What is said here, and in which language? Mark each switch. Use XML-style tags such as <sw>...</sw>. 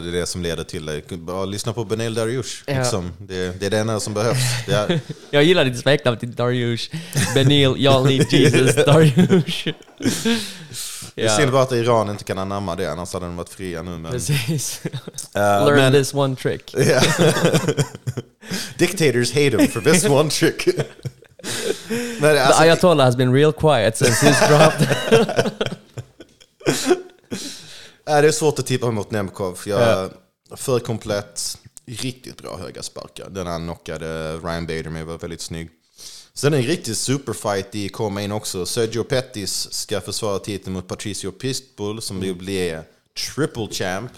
<sv>Det är det som leder till dig. Bara lyssna på Benil Dariush. Ja. Liksom. Det är det enda som behövs. Det är... Jag gillar ditt smeknamn till Dariush. Benil, jag</sv> <en>need Jesus,</en> <sv>Dariush. Ja. Det är synd bara att Iran inte kan anamma det, annars hade den varit fria nu. Men... Precis.</sv> <en>Learn men... this one trick. Yeah. Dictators hate him for this one trick.</en> <sv>Men alltså,</sv> <en>the Ayatollah has been real quiet since he's dropped.</en> <sv>Det är svårt att tippa mot Nemkov. Jag för komplett, riktigt bra höga sparkar. Den han knockade Ryan Bader med var väldigt snygg. Sen en riktig superfight i co-main också. Sergio Pettis ska försvara titeln mot Patricio Pitbull som vill bli triple champ.</sv>